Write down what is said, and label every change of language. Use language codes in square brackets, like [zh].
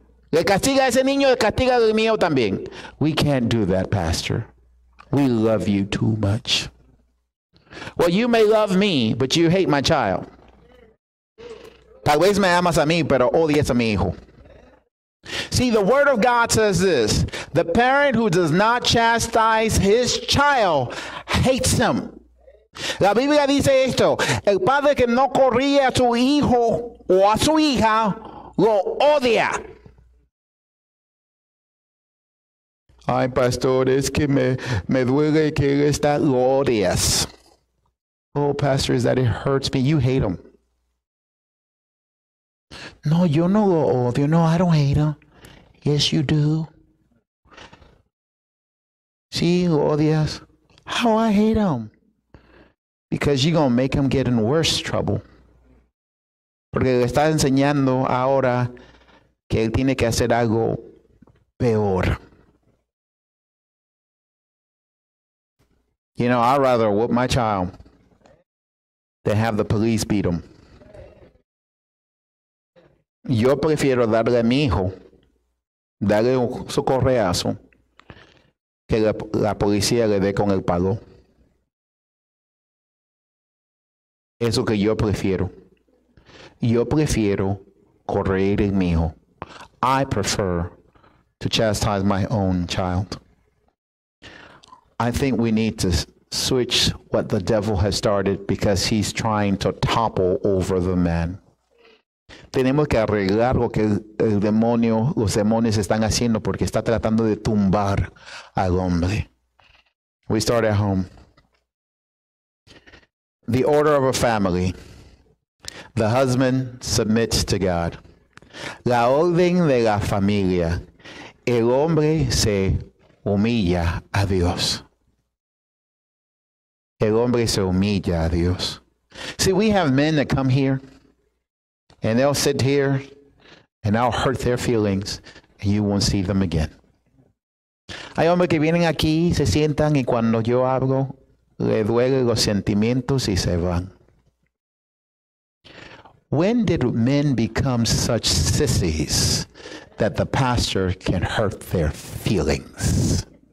[es] Le castiga a ese niño, le castiga al mío también. [en] We can't do that, Pastor. We love you too much. Well, you may love me, but you hate my child. [es] Tal vez me amas a mí, pero odias a mi hijo. [en] See, the Word of God says this. The parent who does not chastise his child hates him. [es] La Biblia dice esto. El padre que no corría a su hijo o a su hija lo odia. Ay, Pastor, es que me duele que él está lo odias. [en] Oh, Pastor, is that it hurts me. You hate him. [es] No, yo no lo odio. [en] No, I don't hate him. Yes, you do. [es] Sí, lo odias. [en] How I hate them. Because you're going to make them get in worse trouble. [es] Porque le está enseñando ahora que él tiene que hacer algo peor. [en] You know, I'd rather whoop my child than have the police beat him. [es] Yo prefiero darle a mi hijo, darle su correazo, que la policía le dé con el palo. Eso que yo prefiero. Yo prefiero correr en mi hijo. [en] I prefer to chastise my own child. I think we need to switch what the devil has started because he's trying to topple over the man. [es] Tenemos que arreglar lo que el demonio, los demonios están haciendo porque está tratando de tumbar al hombre. [en] We start at home. The order of a family. The husband submits to God. [es] La orden de la familia. El hombre se humilla a Dios. El hombre se humilla a Dios. [en] See, we have men that come here. And they'll sit here, and I'll hurt their feelings, and you won't see them again. [es] Hay hombres que vienen aquí, se sientan, y cuando yo hablo, le duelen los sentimientos y se van. [en] When did men become such sissies that the pastor can hurt their feelings?